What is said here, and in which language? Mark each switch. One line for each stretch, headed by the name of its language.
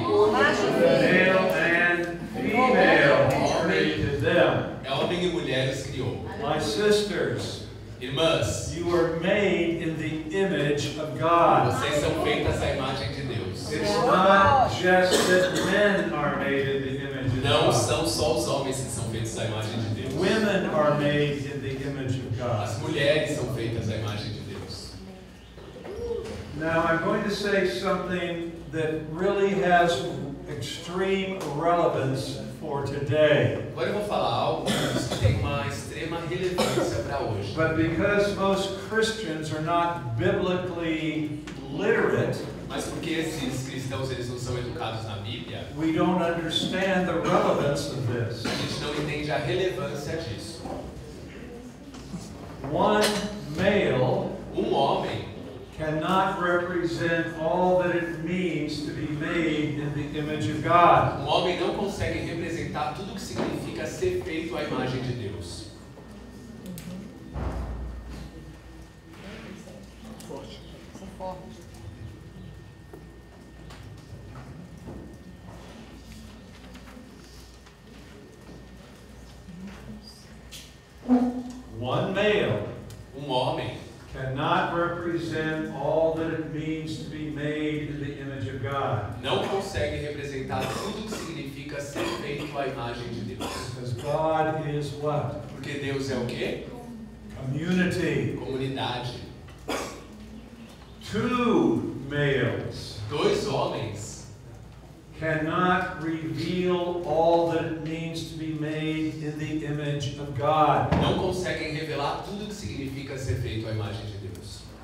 English: Male and female created them.
Portuguese: É homem e mulher os criou.
English: My sisters.
Portuguese: Irmãs,
English: you were made in the image of God.
Portuguese: Vocês são feitas à imagem de Deus.
English: It's not just that men are made in the image of God.
Portuguese: Não são só os homens que são feitos à imagem de Deus.
English: Women are made in the image of God.
Portuguese: As mulheres são feitas à imagem de Deus.
English: Now I'm going to say something that really has extreme relevance for today.
Portuguese: Agora eu vou falar algo que tem uma extrema relevância para hoje.
English: But because most Christians are not biblically literate,
Portuguese: mas porque esses cristãos eles não são educados na Bíblia,
English: we don't understand the relevance of this.
Portuguese: A gente não entende a relevância disso.
English: One male,
Portuguese: um homem,
English: cannot represent all that it means to be made in the image of God.
Portuguese: Um homem não consegue representar tudo o que significa ser feito à imagem de Deus.
English: One male,
Portuguese: um homem,
English: cannot represent all that it means to be made in the image of God.
Portuguese: Não consegue representar tudo o que significa ser feito à imagem de Deus.
English: Because God is what?
Portuguese: Porque Deus é o quê?
English: Community.
Portuguese: Comunidade.
English: Two males.
Portuguese: Dois homens.
English: Cannot reveal all that it means to be made in the image of God.
Portuguese: Não conseguem revelar tudo o que significa ser feito à imagem de Deus.